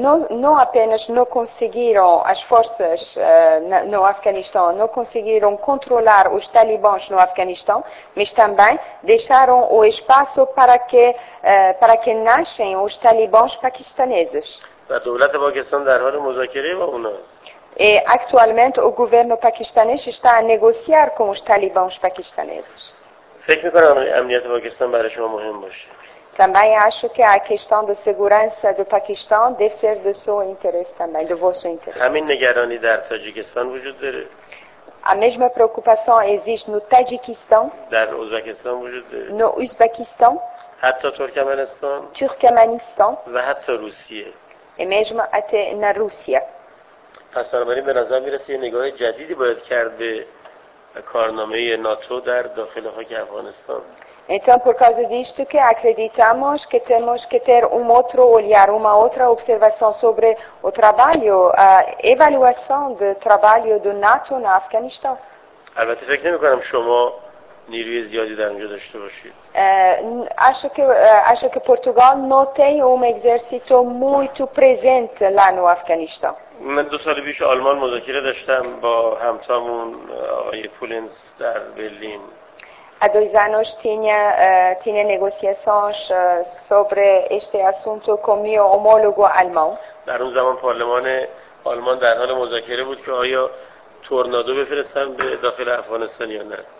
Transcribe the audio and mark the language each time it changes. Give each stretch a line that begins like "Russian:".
Portuguese: Não apenas não conseguiram as forças no Afeganistão, não conseguiram controlar os talibãs no Afeganistão, mas também deixaram o espaço para que nascem os talibãs paquistaneses.
Persian: A دولت پاکستان در حال مذاکره با اوناست.
Portuguese: E atualmente o governo paquistanês está a negociar com os talibãs paquistaneses.
Persian: فکر می‌کنم امنیت پاکستان برای شما مهم باشه.
Portuguese: Também acho que a questão da segurança do Paquistão deve ser do seu interesse também, do vosso interesse.
Persian: همین نگرانی در تاجیکستان وجود داره.
Portuguese: A mesma preocupação existe no Tajiquistão.
Persian: در ازبکستان وجود داره.
Portuguese: No Uzbekistão.
Persian: حتی ترکمنستان.
Portuguese: Turkmenistão.
Persian: و حتی روسیه.
Portuguese: E mesmo até na Rússia.
Persian: پس بنابراین به نظر میرسه یه نگاه جدیدی باید کرد به کارنامه ناتو در داخل خاک افغانستان.
Portuguese: Então, por causa disto, que acreditamos que temos que ter um outro olhar, uma outra observação sobre o trabalho, a avaliação do trabalho do NATO no Afeganistão.
Persian: البته فکر نمی‌کنم شما نیروی زیادی در اونجا داشته باشید.
Portuguese: Acho que Portugal não tem um exército muito presente lá no Afeganistão.
Persian: من دو سال پیش آلمان مذاکره داشتم با همتامون آقای پولینز در برلین.
Portuguese: Há 2 anos tinha negociações sobre este assunto com meu homólogo alemão.
Persian: در اون زمان پارلمان آلمان در حال مذاکره بود که آیا تورنادو بفرستن به داخل افغانستان یا نه.